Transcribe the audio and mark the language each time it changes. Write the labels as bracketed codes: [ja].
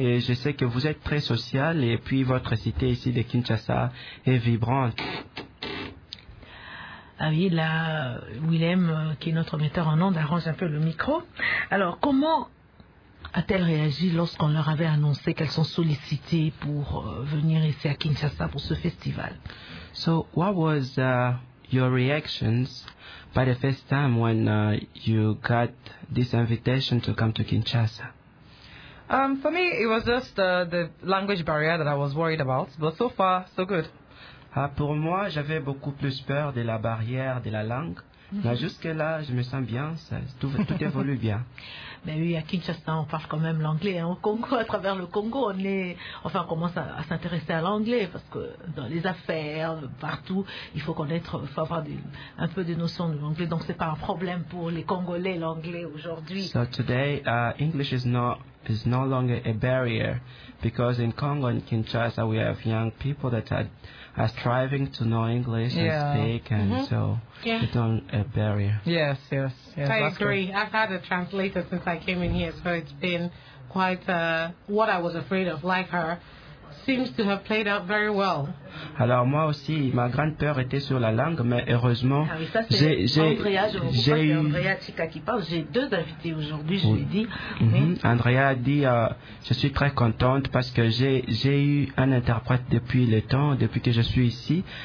[fr] Et je sais que vous êtes très social et puis votre cité ici de Kinshasa est vibrante. Ah oui, là, Willem, qui est notre metteur en onde, arrange un peu le micro. Alors, comment a-t-elle réagi lorsqu'on leur avait annoncé qu'elles sont sollicitées pour venir ici à Kinshasa pour ce festival? [en] So, what was your reactions by the first time when you got this invitation to come to Kinshasa? For me, it was just the language barrier that I was worried about, but so far, so good. [fr] Pour moi, j'avais beaucoup plus peur de la barrière de la langue. Mais jusque là, je me sens bien, tout évolue bien. Mais oui, à Kinshasa, on parle quand même l'anglais. Hein. Au Congo, à travers le Congo, on commence à s'intéresser à l'anglais parce que dans les affaires, partout, il faut connaître, il faut avoir un peu de notions de l'anglais. Donc, c'est pas un problème pour les Congolais l'anglais aujourd'hui. [en] So today, English is no longer a barrier because in Congo and Kinshasa, we have young people that are striving to know English and speak, and so it's not a barrier. Yes, I agree. I've had a translator since I came in here, so it's been quite what I was afraid of, like her. Seems to have played out very well. [fr] Alors moi aussi, ma grande peur était sur la langue, mais heureusement, Andrea Chika qui parle. J'ai deux invités aujourd'hui, je lui ai dit. Andrea a dit, je suis très contente parce que j'ai eu un interprète depuis le temps, depuis que je suis ici.